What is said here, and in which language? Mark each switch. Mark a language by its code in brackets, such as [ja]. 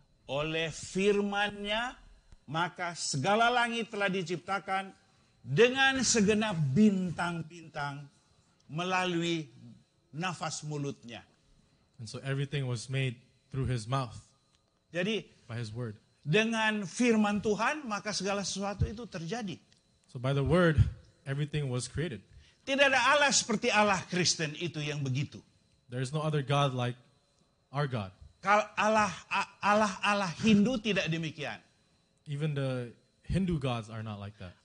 [id] Oleh firman-Nya maka segala langit telah diciptakan dengan segenap bintang-bintang. Melalui nafas mulutnya. [en] And so everything was made through his mouth. [id] Jadi, [en] by his word. [id] Dengan firman Tuhan, maka segala sesuatu itu terjadi. [en] So by the word, everything was created. [id] Tidak ada Allah seperti Allah Kristen itu yang begitu. [en] There is no other God like our God. [id] Allah Hindu tidak demikian. [en] Even the Hindu gods are not like that.